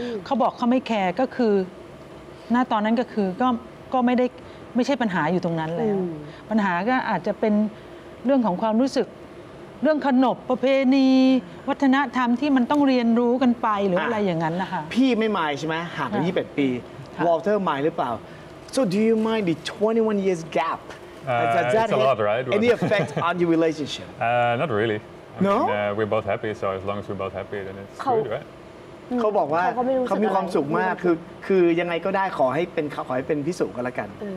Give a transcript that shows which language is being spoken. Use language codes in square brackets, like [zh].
[th] เขาบอกเขาไม่แคร์ก็คือณตอนนั้นก็คือก็ไม่ใช่ปัญหาอยู่ตรงนั้นแล้วปัญหาก็อาจจะเป็นเรื่องของความรู้สึกเรื่องขนบประเพณีวัฒนธรรมที่มันต้องเรียนรู้กันไปหรืออะไรอย่างนั้นนะคะ พี่ไม่หมายใช่ไหมห่างกัน28ปีวอลเตอร์หมายหรือเปล่า [en] So do you mind the 21 years gap? It's a lot, right? Any effect on your relationship? Not really. No? We're both happy, so as long as we're both happy, then it's good, right? [th] เขาบอกว่าเขามีความสุขมากคือยังไงก็ได้ขอให้เป็นพี่สุก็แล้วกัน